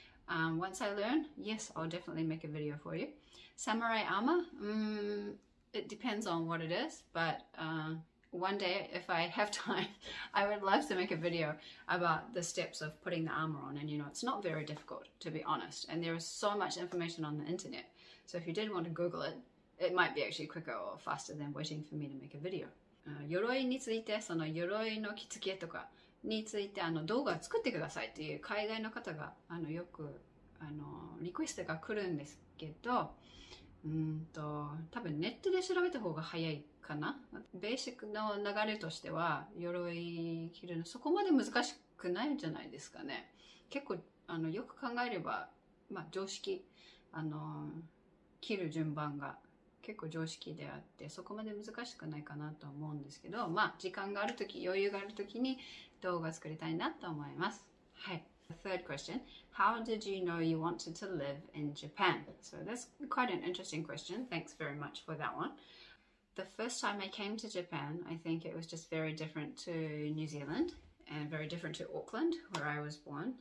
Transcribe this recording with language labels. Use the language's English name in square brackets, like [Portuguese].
[English] Once I learn, yes, I'll definitely make a video for you. Samurai armor, it depends on what it is, but one day, if I have time, I would love to make a video about the steps of putting the armour on. And you know, it's not very difficult, to be honest. And there is so much information on the internet. So if you did want to Google it, it might be actually quicker or faster than waiting for me to make a video. [Japanese] 鎧について、その鎧の着付けとかについて、動画を作ってくださいっていう海外の方が、よく、リクエストが来るんですけど、多分ネットで調べた方が早いかな。ベーシックの流れとしては、鎧着るのそこまで難しくないんじゃないですかね。結構、よく考えれば、まあ、常識、着る順番が、結構常識であってそこまで難しくないかなと思うんですけど、まあ時間があるとき余裕があるときに動画作りたいなと思います。はい。 [English] The third question: How did you know you wanted to live in Japan? So that's quite an interesting question. Thanks very much for that one. The first time I came to Japan, I think it was just very different to New Zealand and very different to Auckland, where I was born.